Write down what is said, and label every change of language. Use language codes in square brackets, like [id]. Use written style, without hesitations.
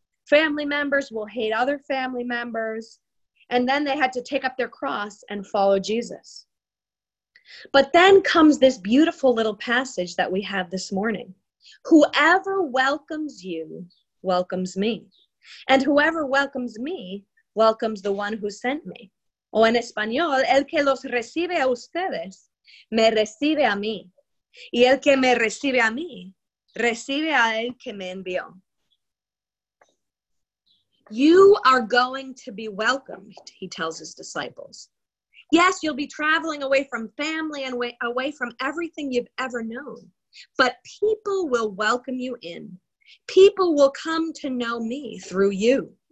[en] Family members will hate other family members. And then they had to take up their cross and follow Jesus. But then comes this beautiful little passage that we have this morning. Whoever welcomes you welcomes me. And whoever welcomes me welcomes the one who sent me. [es] O en español, el que los recibe a ustedes, me recibe a mí. Y el que me recibe a mí, recibe a el que me envió. [en] You are going to be welcomed, he tells his disciples. Yes, you'll be traveling away from family and away from everything you've ever known. But people will welcome you in. People will come to know me through you.